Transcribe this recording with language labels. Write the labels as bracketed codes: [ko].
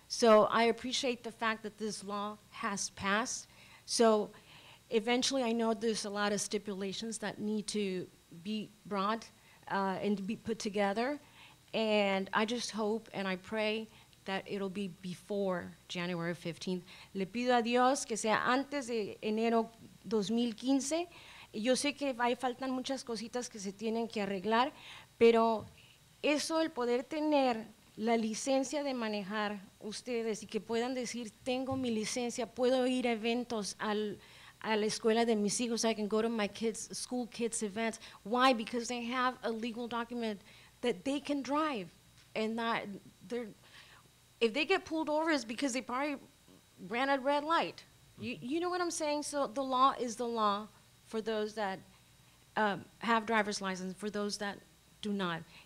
[en] So I appreciate the fact that this law has passed. So eventually I know there's a lot of stipulations that need to be brought and to be put together. And I just hope and I pray that it'll be before January 15th. [es] Le pido a Dios que sea antes de enero 2015. Yo sé que hay faltan muchas cositas que se tienen que arreglar, pero eso, el poder tener la licencia de manejar ustedes y que puedan decir, tengo mi licencia, puedo ir a eventos a la escuela de mis hijos, [en] I can go to my kids, school kids events. Why? Because they have a legal document that they can drive and that they're, if they get pulled over, it's because they probably ran a red light. You know what I'm saying? So the law is the law for those that have driver's license, for those that do not.